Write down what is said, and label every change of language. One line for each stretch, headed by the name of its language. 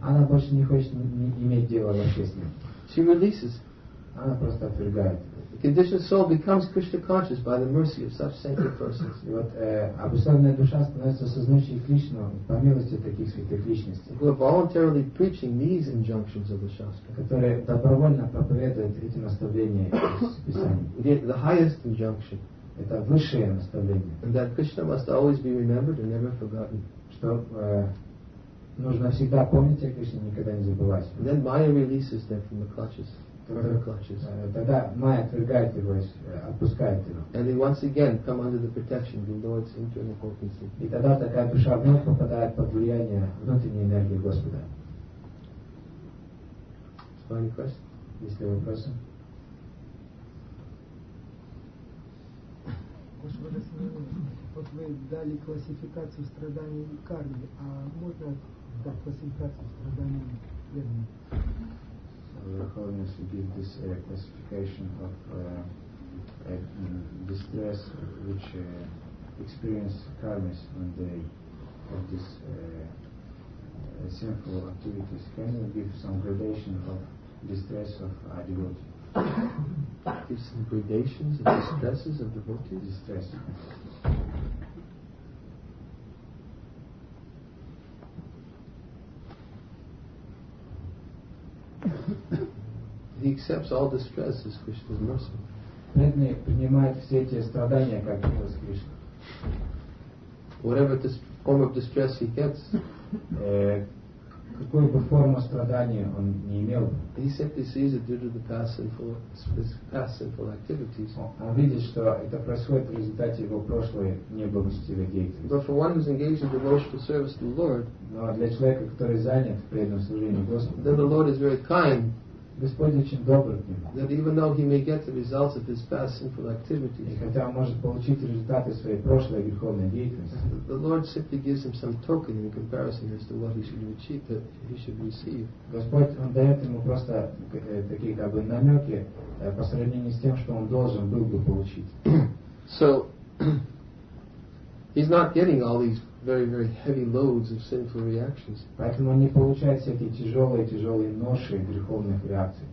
Russian: Она больше не хочет иметь дело вообще с ним.
English: She releases.
Russian: Она просто отвергает его.
English: The conditioned soul becomes Krishna conscious by the mercy of such sacred persons.
Russian: И вот обусловленная душа становится сознающей Кришну по милости таких святых личностей.
English: Who are voluntarily preaching these injunctions of the Shastra.
Russian: Которые добровольно проповедуют эти наставления из Писания.
English: The highest injunction.
Russian: Это высшее наставление.
English: And that Krishna must always be remembered and never forgotten.
Russian: Что нужно всегда помнить о Кришне, никогда не забывать.
English: And then Maya releases them from the clutches.
Russian: Тогда Майя отвергает его, отпускает его.
English: And they once again come under the protection of the Lord's internal potency.
Russian: И тогда такая душа вновь попадает под влияние внутренней энергии Господа.
English: Any question?
Russian: Есть ли вопросы? Господа, вот вы дали классификацию страданий и кармы, а можно дать классификацию страданий и кармы?
English: Your Holiness, you give this classification of distress which experience karmis when they have this sinful activities. Can you give some gradation of distress of a devotee? Give some gradations of distresses of devotee? Distress. He accepts all distress as Krishna's mercy.
Russian: Преданный принимает все эти страдания как милость Кришны.
English: Whatever this form of distress he gets,
Russian: какую бы форму страдания он не имел,
English: he simply sees it due to the past sinful activities.
Russian: Он видит, что это происходит в результате его прошлой неблагочестивой деятельности.
English: But for one who is engaged in devotional service to the Lord,
Russian: но для человека, который занят в преданном служении Господу,
English: then the Lord is very kind.
Russian: Господь очень добр к нему.
English: That even though he may get the results of his past sinful activities,
Russian: и хотя он может получить результаты своей прошлой греховной деятельности,
English: the Lord simply gives him some token in comparison as to what he should achieve, that he should receive.
Russian: Господь он дает ему просто такие как бы намеки по сравнению с тем, что он должен был бы получить.
English: So he's not getting all these very, very heavy loads of sinful reactions.
Russian: Поэтому он не получает все эти тяжелые ноши греховных реакций.